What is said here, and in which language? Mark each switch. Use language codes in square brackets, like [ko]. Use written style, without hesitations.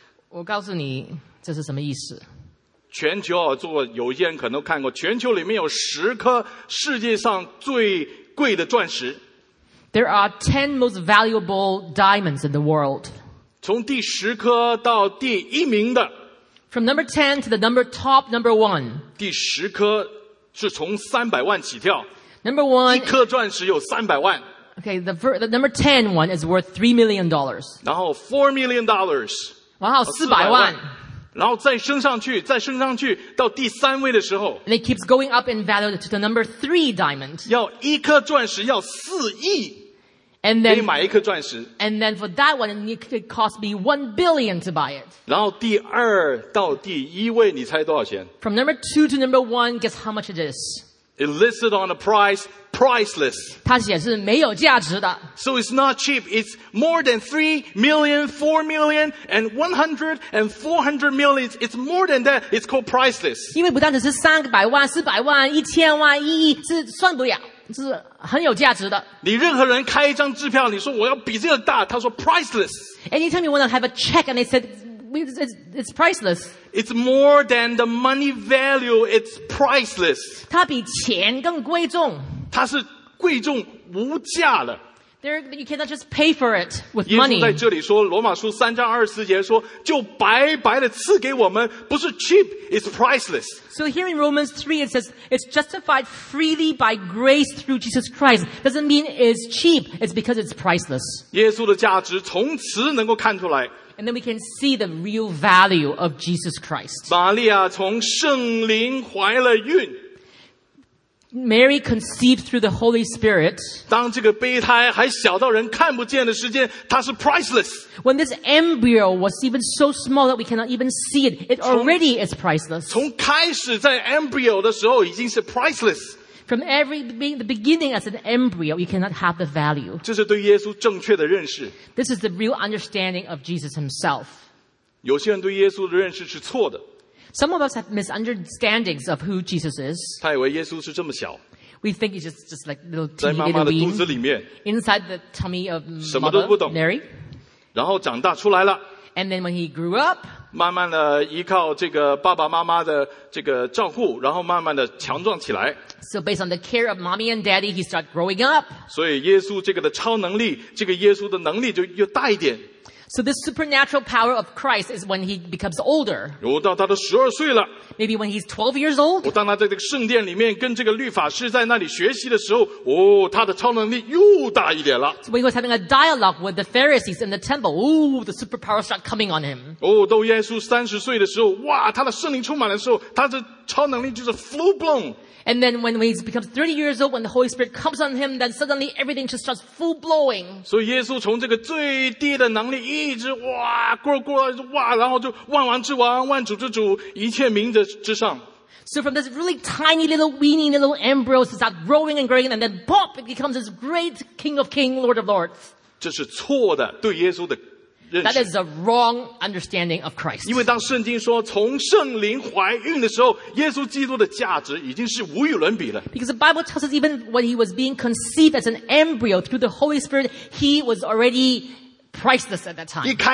[zh] 我告诉你这是什么意思。全球啊，做有些人可能看过，全球里面有十颗世界上最贵的钻石。 [en] There are 10 most valuable diamonds in the world. [zh] 从第十颗到第一名的。 [en] From number 10 to the number top number 1. [zh] 第十颗是从300万起跳。 [en] Number 1. [zh] 一颗钻石有300万。 [en] Okay, the number 10 one is worth $3 million. [zh] 然后$ [en] 4 million. [zh] 然后400万。然后再升上去到第三位的时候。 [en] And it keeps going up in value to the number 3 diamond. [zh] 要一颗钻石要4亿。 [en] And then, [zh] 可以买一颗钻石。 [en] And then for that one, it could cost me $1 billion to buy it. [zh] 然后第二到第一位你猜多少钱。 [en] From number 2 to number 1, guess how much it is. It listed on a price, priceless. [zh] 它显示没有价值的。 [en] So it's not cheap. It's more than 3 million, 4 million, and 100 and 400 million. It's more than that. It's called priceless. [zh] 因为不但只是300万、400万、1000万、1亿，是算不了，是很有价值的。你任何人开一张支票，你说我要比这个大，他说 priceless. [en] Anytime you want to have a check and they said it's priceless. It's more than the money value. It's priceless. [zh] 它比钱更贵重。它是贵重无价的。 [en] There, you cannot just pay for it with money. [zh] 耶稣在这里说，罗马书三章二十节说，就白白的赐给我们，不是 cheap. [en] It's priceless. So here in Romans 3, it says it's justified freely by grace through Jesus Christ. Doesn't mean it's cheap. It's because it's priceless. [zh] 耶稣的价值从此能够看出来。 [en] And then we can see the real value of Jesus Christ. [zh] 玛利亚从圣灵怀了孕。 [en] Mary conceived through the Holy Spirit. [zh] 当这个胚胎还小到人看不见的时间，它是 priceless. [en] When this embryo was even so small that we cannot even see it, it already is priceless. [zh] 从开始在 embryo 的时候已经是 priceless. [en] From the beginning as an embryo, you cannot have the value. [zh] 这是对耶稣正确的认识。 [en] This is the real understanding of Jesus himself. [zh] 有些人对耶稣的认识是错的。 [en] Some of us have misunderstandings of who Jesus is. [zh] 他以为耶稣是这么小。 [en] We think he's just like little teeny little bean. [zh] 在妈妈的肚子里面。 [en] Inside the tummy of mother, [zh] 什么都不懂。 [en] Mary. [zh] 然后长大出来了。 [en] And then when he grew up, [zh] 慢慢的依靠这个爸爸妈妈的这个照顾，然后慢慢的强壮起来。 [en] So based on the care of mommy and daddy, he started growing up. [zh] 所以耶稣这个的超能力，这个耶稣的能力就越大一点。 [en] So this supernatural power of Christ is when he becomes older. [zh] 如果到他的十二岁了。 [en] Maybe when he's 12 years old. [zh] 我当他在这个圣殿里面跟这个律法师在那里学习的时候，哦，他的超能力又大一点了。 [en] So when he was having a dialogue with the Pharisees in the temple, oh, the superpower started coming on him. [zh] 哦，到耶稣30岁的时候，哇，他的圣灵充满的时候，他的超能力就是 [en] full blown. And then when he becomes 30 years old, when the Holy Spirit comes on him, then suddenly everything just starts full blowing. [zh] 所以耶稣从这个最低的能力一直哇，过，然后就万王之王，万主之主，一切名的之上。 [en] So from this really tiny little weeny little embryo, it starts growing and growing, and then pop, it becomes this great King of Kings, Lord of Lords. [zh] 这是错的，对耶稣的认识。 [en] That is a wrong understanding of Christ. [zh] 因为当圣经说从圣灵怀孕的时候，耶稣基督的价值已经是无与伦比了。 [en] Because the Bible tells us even when he was being conceived as an embryo through the Holy Spirit, he was already priceless at that time.